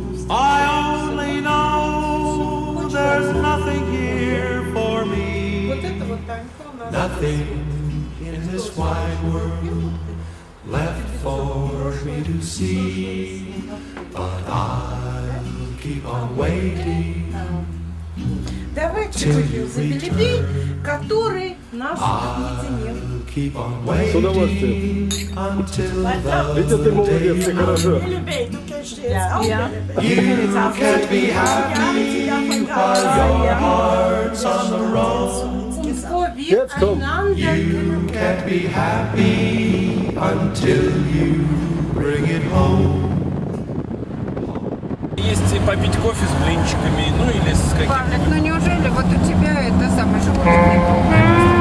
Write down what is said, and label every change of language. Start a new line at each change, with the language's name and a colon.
English: I only know there's nothing here for me. Nothing in this wide world left for me to see. But I keep on waiting.
Russian: Давайте выберем людей, которые нас объединят. С удовольствием. Видите, ты молодец, ты хорошо.
English: You can't be happy while your heart's on the road. Let's go. You can't be happy until you bring it home.
Russian: Есть и попить кофе с блинчиками, ну или с какими-то. Павлик, ну неужели вот у тебя это самое животное?